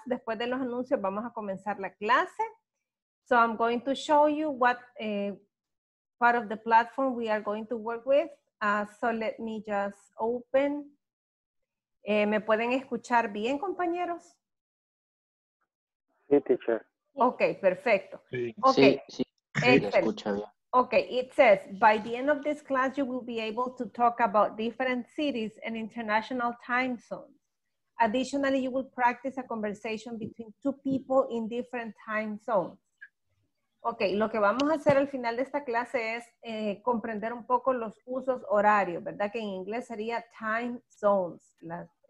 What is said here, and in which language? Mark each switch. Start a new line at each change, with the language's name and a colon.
Spanish: Después de los anuncios, vamos a comenzar la clase.
English: So, I'm going to show you what part of the platform we are going to work with. So, let me just open.
Spanish: ¿Me pueden escuchar bien, compañeros? Sí, teacher. Ok, perfecto. Sí, okay. Sí. Excellent.
English: Okay, it says, by the end of this class, you will be able to talk about different cities and international time zones. Additionally, you will practice a conversation between two people in different time zones.
Spanish: Okay, lo que vamos a hacer al final de esta clase es comprender un poco los usos horarios, ¿verdad? Que en inglés sería time zones, ¿verdad?